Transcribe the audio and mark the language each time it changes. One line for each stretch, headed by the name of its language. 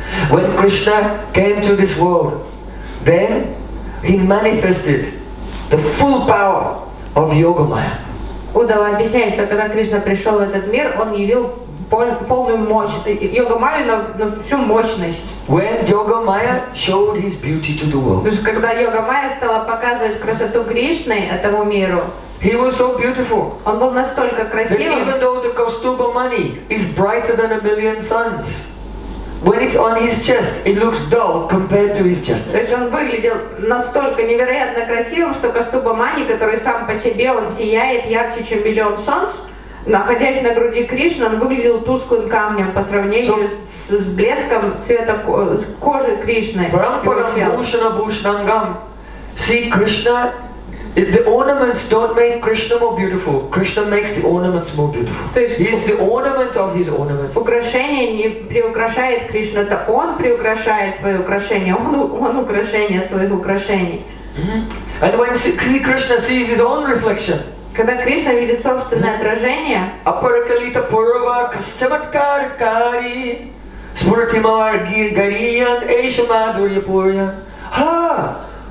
English: When Krishna came to this world, then he manifested the full power of yoga maya.
Russian: Удава объясняет, что когда Кришна пришел в этот мир, он явил полную мощь йога майи на всю мощность.
English: When yoga maya showed his beauty to the world.
Russian: То есть когда йога майя стала показывать красоту Кришны этому миру.
English: He was so beautiful.
Russian: Он был настолько красивым.
English: Even though the Kaustubha mani is brighter than a million suns. When it's on his chest, it looks dull compared to his chest.
Russian: То есть он выглядел настолько невероятно красивым, что Кастуба Мани, который сам по себе, он сияет ярче, чем миллион солнц, находясь на груди Кришны, он выглядел тусклым камнем по сравнению с блеском цвета кожи Кришны.
Sanskrit: Парампарам бушана бушнангам.
English: See, Krishna, the ornaments don't make Krishna more beautiful. Krishna makes the ornaments more beautiful. He's the ornament of his ornaments.
Russian: Украшение не приукрашает Кришну, это он приукрашает свои украшения. Он украшение своих украшений.
English: And when Krishna sees his own reflection.
Russian: Когда Кришна видит собственное отражение.
Sanskrit: Апаракалита пурва кастаматкар кари смуртимар гир гариян эйшамадурья пурья. Ha!